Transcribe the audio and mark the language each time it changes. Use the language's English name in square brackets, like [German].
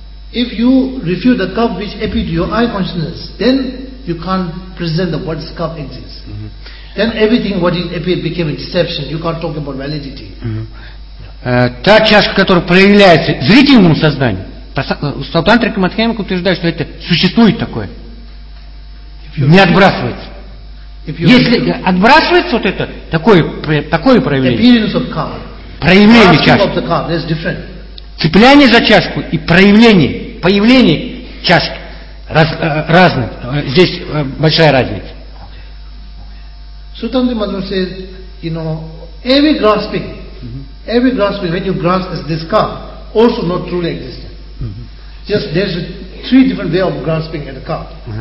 [English] If you refute the cup which appears to your eye consciousness, then you can't present the what cup exists. Mm-hmm. Then everything what it appears became a deception. You can't talk about validity. Mm-hmm. [Russian] Та чашка, которая проявляется зрительному сознанию, Саутантрика Мадхьямика утверждает, что это существует такое. Не отбрасывается. Если отбрасывается вот это, такое проявление. [English] Appearance of cup. [Russian] Проявление чашки. [English] Of the cup, that's different. [Russian] Цепляние за чашку и проявление, появление чашки разные. Здесь большая разница. [English] Suttanaka Madhyamika says, you know, every grasping, when you grasp as this cup, also not truly existent. Just there's three different ways of grasping at a cup.